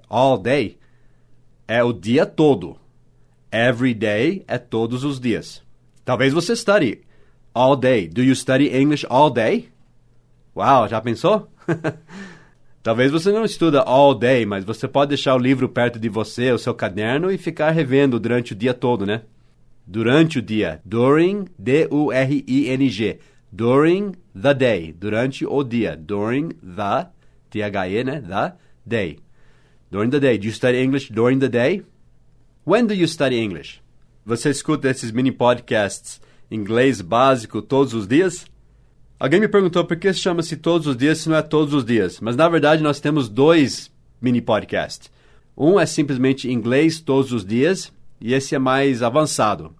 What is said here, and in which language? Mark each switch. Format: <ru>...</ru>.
<en>All day,</en> <pt>é o dia todo.</pt> <en>Every day</en> <pt>é todos os dias. Talvez você</pt> <en>study all day. Do you study English all day?</en> <pt>Uau, já pensou? Talvez você não estuda all day, mas você pode deixar o livro perto de você, o seu caderno, e ficar revendo durante o dia todo, né? Durante o dia.</pt> <en>During, D-U-R-I-N-G. During the day.</en> <pt>Durante o dia.</pt> <en>During the, T T-H-E, né? The day. During the day. Do you study English during the day? When do you study English?</en> <pt>Você escuta esses mini podcasts Inglês Básico todos os dias? Alguém me perguntou por que chama-se todos os dias se não é todos os dias. Mas, na verdade, nós temos dois mini podcasts. Um é simplesmente Inglês Todos os Dias e esse é mais avançado.</pt>